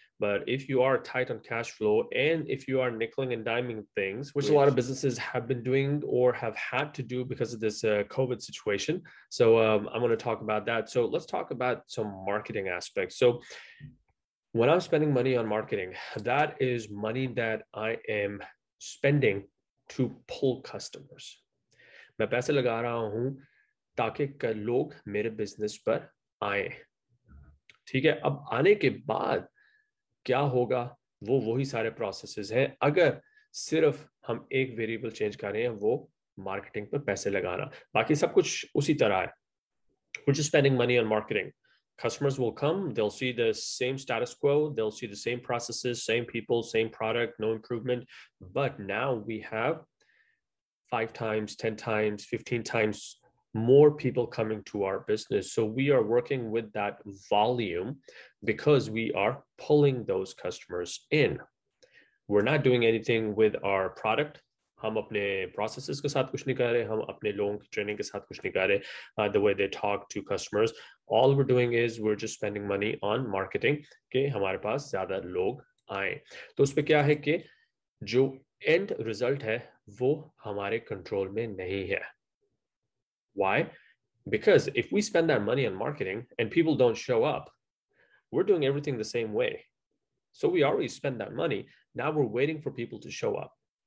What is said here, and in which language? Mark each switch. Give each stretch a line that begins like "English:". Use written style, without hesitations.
English: But if you are tight on cash flow and if you are nickeling and diming things, which a lot of businesses have been doing or have had to do because of this COVID situation. So I'm going to talk about that. So let's talk about some marketing aspects. So when I'm spending money on marketing, that is money that I am spending to pull customers.
Hindi: मैं पैसे लगा रहा हूं ताकि लोग मेरे business पर आए ठीक है अब आने के बाद क्या होगा वो वही सारे प्रोसेसेस हैं अगर सिर्फ हम एक वेरिएबल चेंज कर रहे हैं वो मार्केटिंग पर पैसे लगाना बाकी सब कुछ उसी तरह है
English: we're just spending money on marketing customers will come they'll see the same status quo they'll see the same processes same people same product no improvement but now we have 5 times, 10 times, 15 times more people coming to our business. So we are working with that volume because we are pulling those customers in. We're not doing anything with our product.
Hindi: Hum apne processes ke saath kuch nahi kar rahe,
English: hum apne logon ki training ke saath kuch nahi kar rahe, the way they talk to customers. All we're doing is we're just spending money on marketing.
Hindi: Okay, hamare paas zyada log aaye. To uspe kya hai ke jo end result hai, वो हमारे control में नहीं है
English: why because if we spend that money on marketing and people don't show up we're doing everything the same way so we already spend that money now we're waiting for people to show up